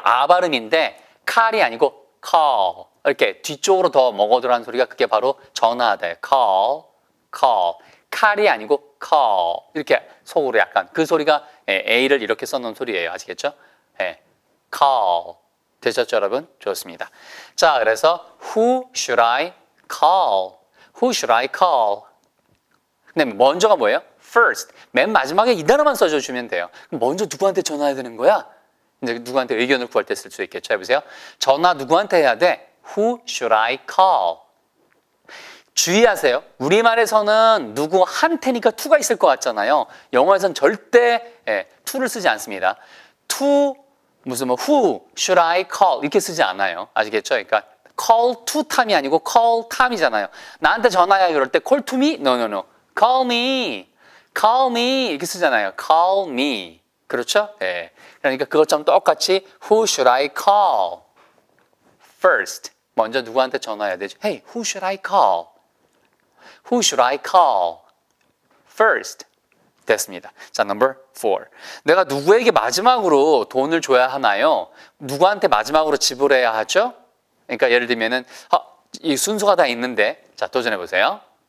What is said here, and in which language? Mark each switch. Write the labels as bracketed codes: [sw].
[ko] 아 발음인데 칼이 아니고 call. 이렇게 뒤쪽으로 더 먹어들어가는 소리가 그게 바로 전화하다. call, call. 칼이 아니고 call. 이렇게 속으로 약간 그 소리가 A를 이렇게 써놓은 소리예요. 아시겠죠? 예. call. 되셨죠, 여러분? 좋습니다. 자, 그래서 [en] who should I call? Who should I call? [ko] 근데 먼저가 뭐예요? First. 맨 마지막에 이 단어만 써주면 돼요. 그럼 먼저 누구한테 전화해야 되는 거야? 이제 누구한테 의견을 구할 때 쓸 수 있겠죠. 해보세요. 전화 누구한테 해야 돼? [en] Who should I call? [ko] 주의하세요. 우리말에서는 누구한테니까 to가 있을 것 같잖아요. 영어에서는 절대 to를 쓰지 않습니다. To, 무슨 뭐 [en] who should I call [ko] 이렇게 쓰지 않아요. 아시겠죠? 그러니까 call to time이 아니고 call time이잖아요. 나한테 전화해야 그럴 때 [en] call to me? No, no, no. Call me. Call me [ko] 이렇게 쓰잖아요. [en] Call me. [ko] 그렇죠? 예. 그러니까 그것처럼 똑같이 [en] who should I call first. [ko] 먼저 누구한테 전화해야 되지? [en] Hey, who should I call? Who should I call first? [ko] 됐습니다. 자, [en] number four. [ko] 내가 누구에게 마지막으로 돈을 줘야 하나요? 누구한테 마지막으로 지불해야 하죠? 그러니까 예를 들면은 이 순서가 다 있는데 자, 도전해 보세요.